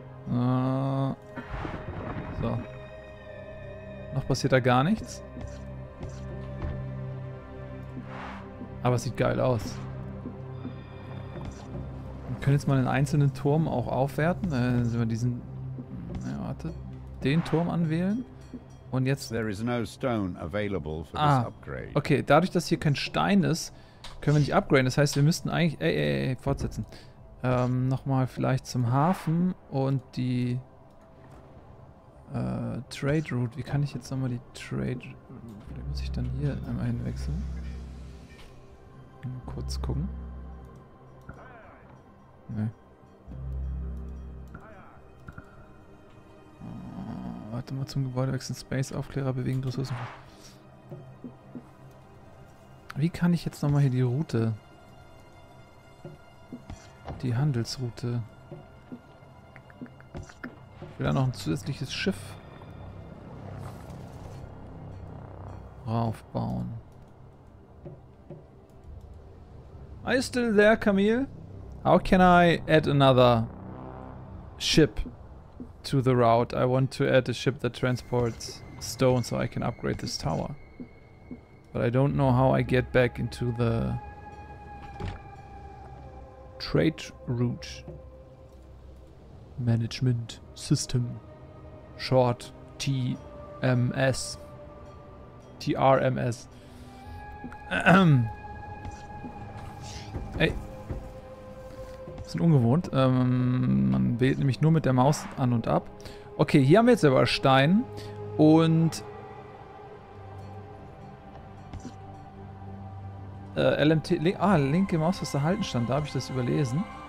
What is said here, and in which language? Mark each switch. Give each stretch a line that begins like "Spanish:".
German: So. Noch passiert da gar nichts. Aber es sieht geil aus. Wir können jetzt mal den einzelnen Turm auch aufwerten. Sollen wir diesen. Ja, warte. Den Turm anwählen. Und jetzt.
English: There is no stone available for this upgrade.
German: Okay, dadurch, dass hier kein Stein ist, können wir nicht upgraden. Das heißt, wir müssten eigentlich. Fortsetzen. Nochmal vielleicht zum Hafen und die Trade Route. Wie kann ich jetzt nochmal die Trade Route? Vielleicht muss ich dann hier einmal hinwechseln. Mal kurz gucken. Nee. Oh, warte mal zum Gebäude wechseln. Space Aufklärer bewegen Ressourcen. Wie kann ich jetzt nochmal hier die Route? Die Handelsroute. Ich will da noch ein zusätzliches Schiff raufbauen.
English: Are you still there, Camille? How can I add another ship to the route? I want to add a ship that transports stone so I can upgrade this tower. But I don't know how I get back into the Trade Route Management System, short TMS, TRMS.
German: Ey, bisschen ungewohnt, man wählt nämlich nur mit der Maus an und ab. Okay, hier haben wir jetzt aber Stein und LMT, linke Maus, was da halten stand, da habe ich das überlesen.